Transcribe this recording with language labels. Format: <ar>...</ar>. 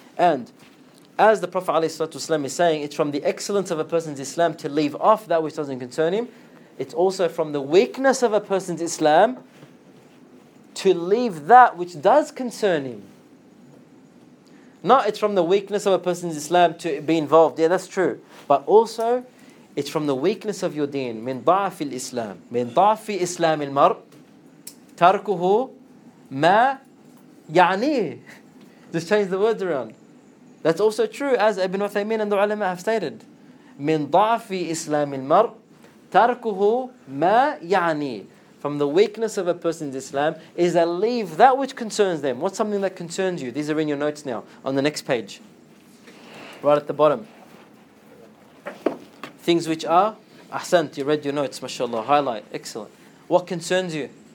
<en>And as the Prophet ﷺ is saying, it's from the excellence of a person's Islam to leave off that which doesn't concern him. It's also from the weakness of a person's Islam to leave that which does concern him. Not it's from the weakness of a person's Islam to be involved. Yeah, that's true. But also, it's from the weakness of your deen.</en> <ar>من ضعف الإسلام من ضعف إسلام المرء تركه ما يعنيه.</ar> <en>Just change the words around. That's also true, as Ibn Uthaymeen and the ulama have stated.</en> <ar>من ضعف إسلام المرء تركه ما يعنيه.</ar> <en>From the weakness of a person's Islam is that leave that which concerns them. What's something that concerns you? These are in your notes now, on the next page. Right at the bottom. Things which are, Ahsant, you read your notes, mashallah, highlight, excellent. What concerns you?</en>